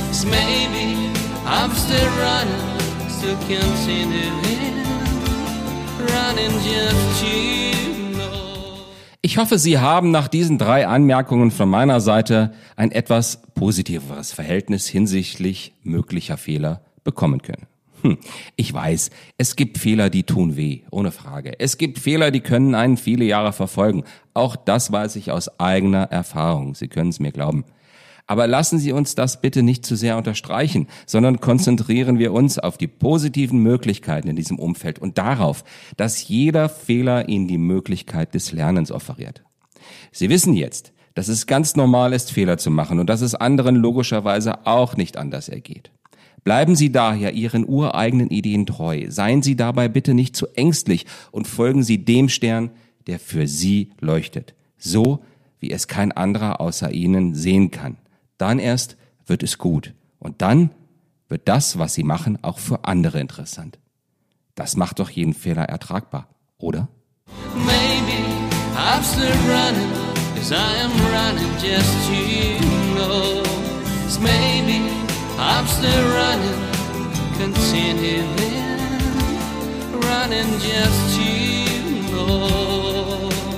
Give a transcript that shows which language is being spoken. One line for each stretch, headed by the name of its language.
English: Maybe I'm still running, still continuing, running just to you.
German: Ich hoffe, Sie haben nach diesen 3 Anmerkungen von meiner Seite ein etwas positiveres Verhältnis hinsichtlich möglicher Fehler bekommen können. Ich weiß, es gibt Fehler, die tun weh, ohne Frage. Es gibt Fehler, die können einen viele Jahre verfolgen. Auch das weiß ich aus eigener Erfahrung. Sie können es mir glauben. Aber lassen Sie uns das bitte nicht zu sehr unterstreichen, sondern konzentrieren wir uns auf die positiven Möglichkeiten in diesem Umfeld und darauf, dass jeder Fehler Ihnen die Möglichkeit des Lernens offeriert. Sie wissen jetzt, dass es ganz normal ist, Fehler zu machen und dass es anderen logischerweise auch nicht anders ergeht. Bleiben Sie daher Ihren ureigenen Ideen treu. Seien Sie dabei bitte nicht zu ängstlich und folgen Sie dem Stern, der für Sie leuchtet. So, wie es kein anderer außer Ihnen sehen kann. Dann erst wird es gut. Und dann wird das, was Sie machen, auch für andere interessant. Das macht doch jeden Fehler ertragbar, oder?
English: Maybe I'm still running, 'cause I am running just to you know. Maybe I'm still running, continuing, running just to you know.